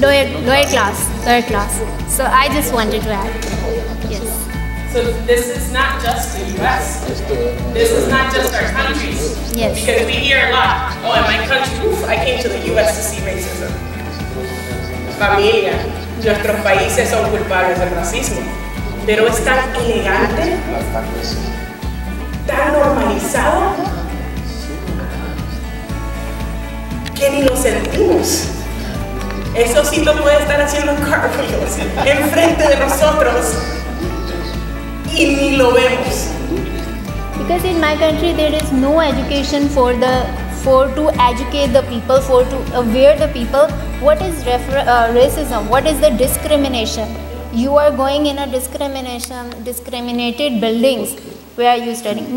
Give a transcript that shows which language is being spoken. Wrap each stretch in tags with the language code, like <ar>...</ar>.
<en>lower class, third class. So I just wanted to ask. Yes. So this is not just the US. This is not just our countries. Yes. Because we hear a lot, oh, in my country, oof, I came to the US to see racism.</en> <es>Familia. Nuestros países son culpables del racismo, pero es tan elegante, tan normalizado, que ni lo sentimos. Eso sí lo puede estar haciendo cartwheels enfrente de nosotros y ni lo vemos.</es> <en>Because in my country there is no education for the for to educate the people, for to aware the people, what is racism, what is the discrimination? You are going in a discriminated buildings. Where are you studying?</en>